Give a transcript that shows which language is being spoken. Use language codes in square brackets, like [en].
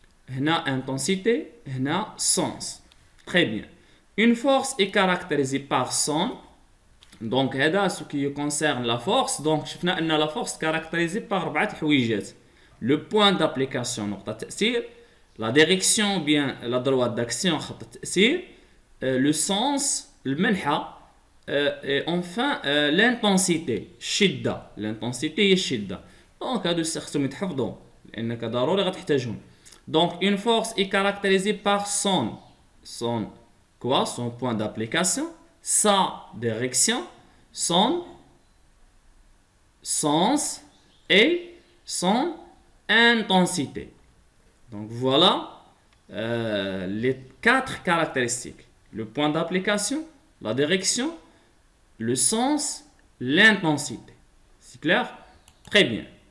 [ar] هنا intensité، هنا sens. [fr] Très bien. Une force est caractérisée par son. Donc [ar] هذا [fr] ce qui concerne la force. Donc [ar] شفنا ان [fr] la force caractérisée par 4 [ar] حويجات. [fr] le point d'application [ar] نقطة تأثير, [fr] la direction ou bien la droite d'action نقطة تأثير, le sens [ar] المنحة, [fr] et enfin l'intensité [ar] الشدة, [fr] l'intensité [ar] هي الشدة. [fr] Donc [ar] هادو خصهم يتحفظوا لأنك ضروري غتحتاجهم. [fr] Donc une force est caractérisée par son quoi, son point d'application, sa direction, son sens et son intensité. Donc voilà les quatre caractéristiques: le point d'application, la direction, le sens, l'intensité. C'est clair? Très bien.